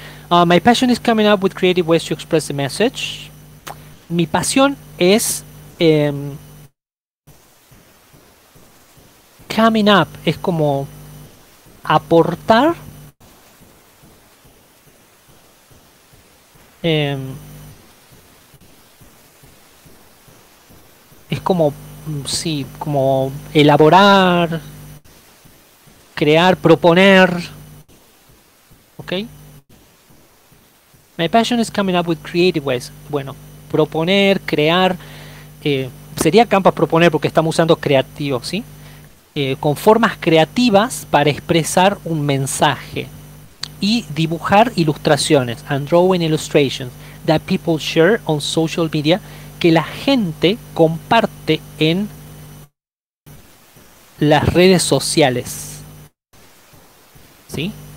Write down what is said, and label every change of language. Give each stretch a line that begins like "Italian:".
English: My passion is coming up with creative ways to express the message.
Spanish: Mi pasión es coming up, es como aportar es como sí, como elaborar, crear, proponer.
English: Okay. My passion is coming up with creative ways.
Spanish: Bueno, proponer, crear, sería campo proponer porque estamos usando creativo, ¿sí? Con formas creativas para expresar un mensaje y dibujar ilustraciones,
English: and drawing illustrations that people share on social media,
Spanish: que la gente comparte en las redes sociales, ¿sí?